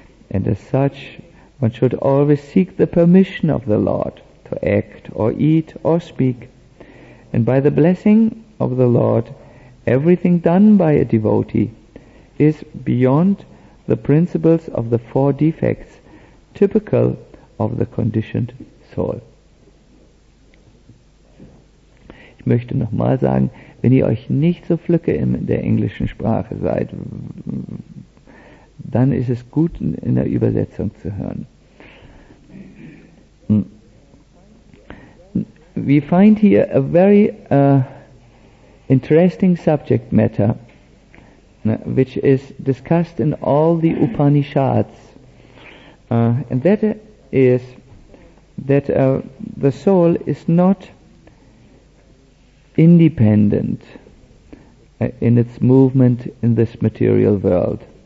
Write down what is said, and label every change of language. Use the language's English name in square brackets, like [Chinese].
[English] And as such, one should always seek the permission of the Lord to act or eat or speak. And by the blessing of the Lord, everything done by a devotee is beyond the principles of the four defects typical of the conditioned soul. [German] Ich möchte nochmal sagen, wenn ihr euch nicht so flücke in der englischen Sprache seid, dann ist es gut, in der Übersetzung zu hören. [English] We find here a very interesting subject matter, which is discussed in all the Upanishads. And that is that the soul is not independent in its movement in this material world.